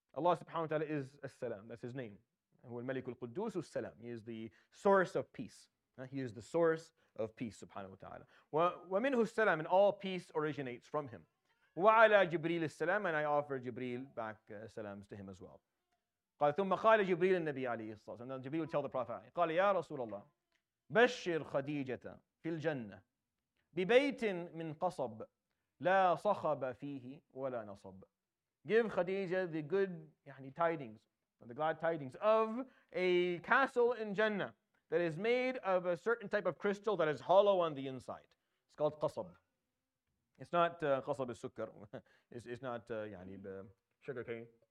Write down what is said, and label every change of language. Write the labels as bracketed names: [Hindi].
[English] Allah subhanahu wa ta'ala is السلام, that's his name. [Arabic] هُوَ الْمَلِكُ الْقُدُّوسُ السَّلَامِ. [English] He is the source of peace. He is the source of peace, subhanahu wa ta'ala. [Arabic] وَمِنْهُ السَّلَامِ, [English] and all peace originates from him. [Arabic] وَعَلَى جِبْرِيلِ السَّلَامِ, [English] and I offer Jibreel back salams to him as well. [Arabic] قَالَ ثُمَّ قَالَ جِبْرِيلِ النَّبِيَ عَلَيْهِ الصَّلَاةِ. [English] And then Jibreel would tell the Prophet, [Arabic] قَالَ يَا رَسُولَ اللَّهِ بَشِّرْ خَدِيجَةَ فِي الْجَنَّةِ بِبَيْتٍ مِّن قَصَبٍ لَا صَخَبَ فِيهِ وَلَا نَصَبٍ. [English] Give Khadija the good tidings, the glad tidings of a castle in Jannah that is made of a certain type of crystal that is hollow on the inside. It's called qasab. It's not qasab al-sukkar. It's not sugar cane.